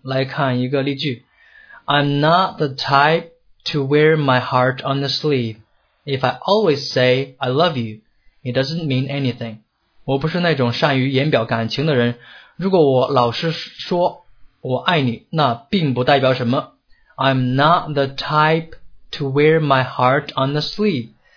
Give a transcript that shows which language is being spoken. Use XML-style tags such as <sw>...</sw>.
<en>来看一个例句， I'm not the type to wear my heart on the sleeve. If I always say I love you, it doesn't mean anything.</en> <zh>我不是那种善于言表感情的人，如果我老是说我爱你，那并不代表什么。</zh> <en>I'm not the type to wear my heart on the sleeve.</en>